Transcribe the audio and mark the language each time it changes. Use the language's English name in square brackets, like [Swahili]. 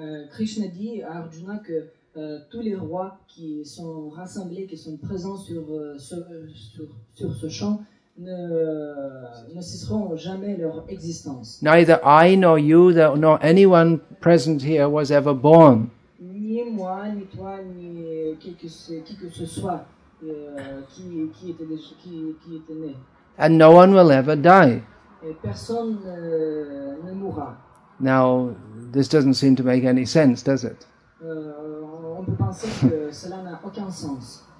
[French] Krishna dit à Arjuna que tous les rois qui sont rassemblés, qui sont présents sur ce champ, ne cesseront jamais leur existence. [English] Neither I nor you nor anyone present here was ever born. [French] Ni moi, ni toi, ni qui que ce soit qui était né. [English] And no one will ever die. [French] Et personne ne mourra. [English] Now, this doesn't seem to make any sense, does it? [French] On peut penser que cela n'a aucun sens.